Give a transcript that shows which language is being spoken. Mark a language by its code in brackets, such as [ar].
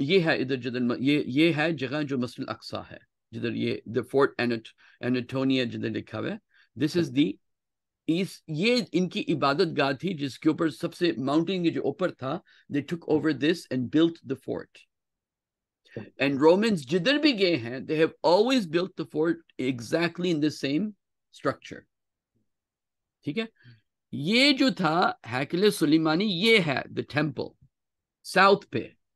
[ur] یہ ہے ادھر جدھر یہ ہے جگہ جو مسجد الاقصی ہے جدھر یہ [en] the fort [ur] انٹونیا جدھر لکھا ہوا ہے. [en] This is the east. [ur] یہ ان کی عبادت گاہ تھی جس کے اوپر سب سے ماؤنٹین کے جو اوپر تھا, [en] they took over this and built the fort. And Romans [ur] جدھر بھی گئے ہیں [en] they have always built the fort exactly in the same structure. [ur] ٹھیک ہے, یہ جو تھا ہیکل سلیمانی یہ ہے دا ٹیمپل ساؤتھ پہ.